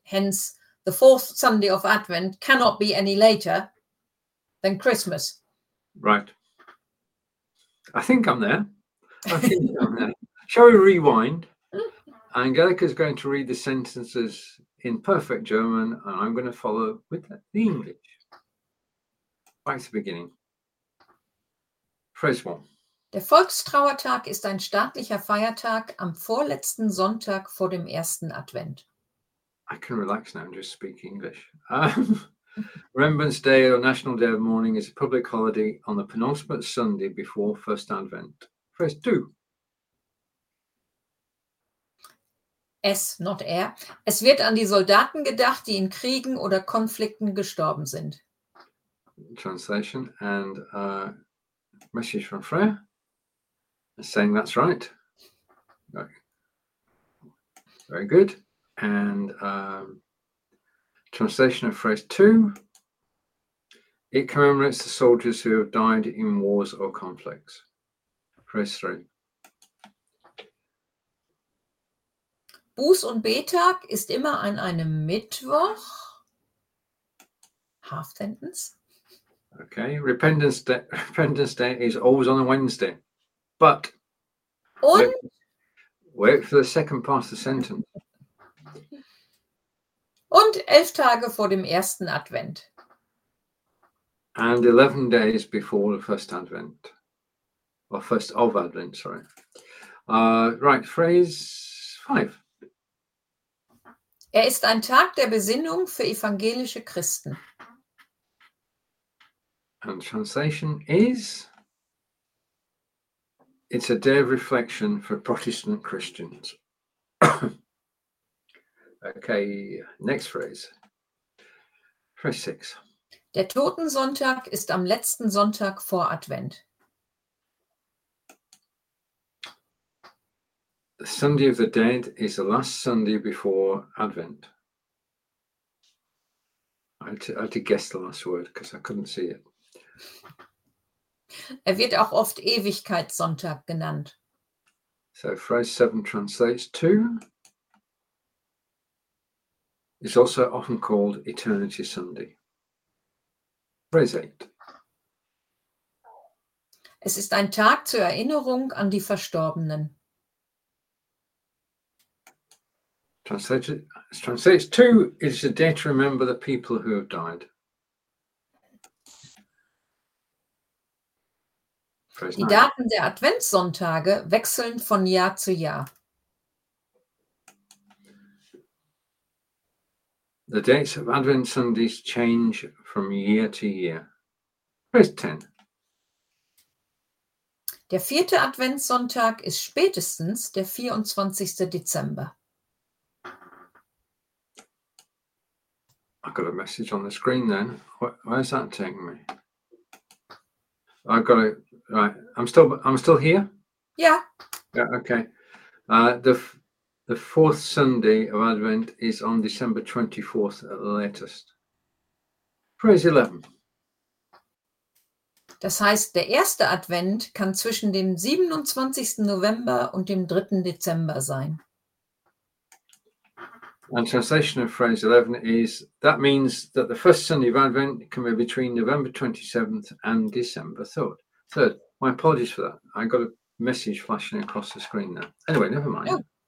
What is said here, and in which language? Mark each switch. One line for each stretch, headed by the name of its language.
English: Hence, the 4th Sunday of Advent cannot be any later than Christmas. Right. I think I'm there. Shall we rewind? Angelica's going to read the sentences in perfect German, and I'm going to follow with the English. Back to the beginning. Phrase one.
German: Der Volkstrauertag ist ein staatlicher Feiertag am vorletzten Sonntag vor dem ersten Advent.
English: I can relax now and just speak English. Remembrance Day or National Day of Mourning is a public holiday on the penultimate Sunday before first Advent. Phrase two. Es, not er.
German: Es wird an die Soldaten gedacht, die in Kriegen oder Konflikten gestorben sind.
English: Translation and message from Freya. Saying that's right. Okay. Very good. And translation of phrase two. It commemorates the soldiers who have died in wars or conflicts. Phrase three.
German: Buß- und Betag ist immer an einem Mittwoch.
English: Half sentence. Okay. Repentance Day is always on a Wednesday. But.
German: Und?
English: Wait for the second part of the sentence.
German: Und 11 Tage vor dem ersten Advent.
English: And 11 days before the first Advent. Or first of Advent, sorry. Right, phrase five.
German: Er ist ein Tag der Besinnung für evangelische Christen.
English: And translation is? It's a day of reflection for Protestant Christians. Okay, next phrase. Phrase six.
German: Der Totensonntag ist am letzten Sonntag vor Advent.
English: The Sunday of the Dead is the last Sunday before Advent. I had to guess the last word because I couldn't see it.
German: Er wird auch oft Ewigkeitssonntag genannt.
English: So phrase seven translates to. It's also often called Eternity Sunday. Phrase eight.
German: Es ist ein Tag zur Erinnerung an die Verstorbenen.
English: Translates to, it's a day to remember the people who have died.
German: Die Daten der Adventssonntage wechseln von Jahr zu Jahr.
English: The dates of Advent Sundays change from year to year. Phrase 10.
German: Der vierte Adventssonntag ist spätestens der 24. Dezember.
English: I've got a message on the screen then. Where's that taking me? I've got it. Right. I'm still here? Yeah. Yeah, okay. The fourth Sunday of Advent is on December 24th at the latest. Phrase 11.
German: Das heißt, der erste Advent kann zwischen dem 27. November und dem 3. Dezember sein.
English: And translation of phrase 11 is, that means that the first Sunday of Advent can be between November 27th and December 3rd. Third. My apologies for that. I got a message flashing across the screen there. Anyway, never mind. Yeah.